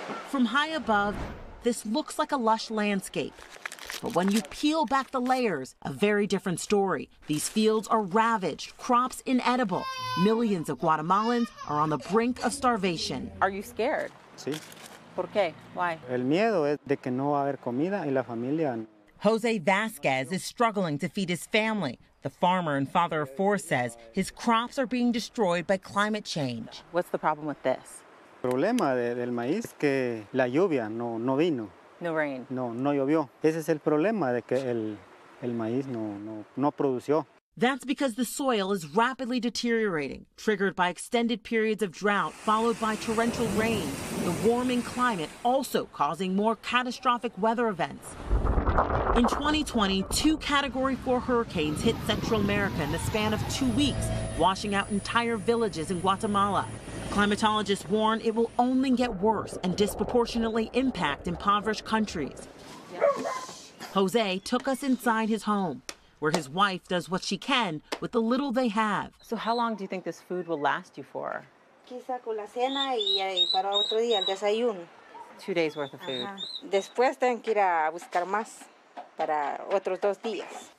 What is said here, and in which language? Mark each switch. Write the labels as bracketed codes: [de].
[en] From high above, this looks like a lush landscape. But when you peel back the layers, a very different story. These fields are ravaged, crops inedible. Millions of Guatemalans are on the brink of starvation. Are you scared? [es] Sí. ¿Por qué? [en] Why? [es] El miedo es de que no va a haber comida y la familia. [en] Jose Vasquez is struggling to feed his family. The farmer and father of 4 says his crops are being destroyed by climate change. What's the problem with this? [es] El problema del maíz es que la lluvia no vino. [en] No rain. [es] No llovió. Ese es el problema de que el maíz no produció. [en] That's because the soil is rapidly deteriorating, triggered by extended periods of drought followed by torrential rain. The warming climate also causing more catastrophic weather events. In 2020, 2 Category 4 hurricanes hit Central America in the span of 2 weeks, washing out entire villages in Guatemala. Climatologists warn it will only get worse and disproportionately impact impoverished countries. Yeah. Jose took us inside his home, where his wife does what she can with the little they have. So how long do you think this food will last you for? [es] Quizá con la cena y para otro día, el desayuno. [en] 2 days worth of food. Uh-huh. [es] Después tengo que ir a buscar más para otros 2 días.